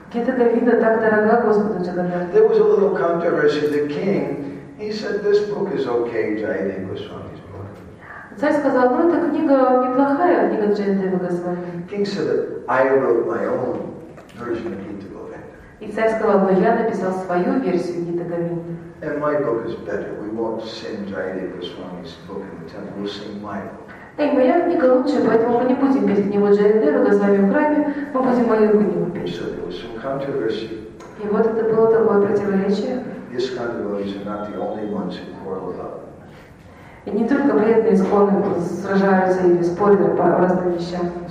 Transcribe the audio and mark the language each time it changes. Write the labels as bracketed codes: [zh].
[ru] Гита Говинда так дорога Господу Джаганнатху. [en] There was a little controversy. The king, he said, this book is okay, Jayadeva Goswami's book. [ru] Царь сказал: ну эта книга неплохая, книга Джайдевы Госвами. [en] King said, I wrote my own version of Gita Govinda. [ru] И царь сказал: но я написал свою версию Гита Говинды. [en] And my book is better. We won't sing Jayadeva Goswami's book in the temple. We'll sing my book. [ru] Эй, моя книга лучше, поэтому мы не будем петь в него Джайдевы Госвами в храме, мы будем мою книгу петь. [en] So there was some controversy. [ru] И вот это было такое противоречие. [en] These kind of devotees are not the only ones who quarrel about. [ru] И не только преданные исконно сражаются или спорят по разным вещам.